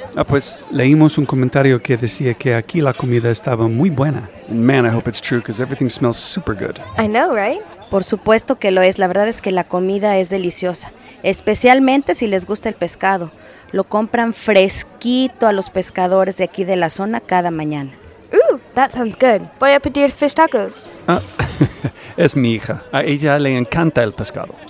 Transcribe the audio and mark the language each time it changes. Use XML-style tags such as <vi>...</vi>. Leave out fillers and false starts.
<es>Ah, pues leímos un comentario que decía que aquí la comida estaba muy buena.</es> <en>And man, I hope it's true because everything smells super good. I know, right?</en> <es>Por supuesto que lo es. La verdad es que la comida es deliciosa, especialmente si les gusta el pescado. Lo compran fresquito a los pescadores de aquí de la zona cada mañana.</es> <en>Ooh, that sounds good.</en> <es>Voy a pedir</es> <en>fish tacos.</en> <es>Ah, es mi hija. A ella le encanta el pescado.</es>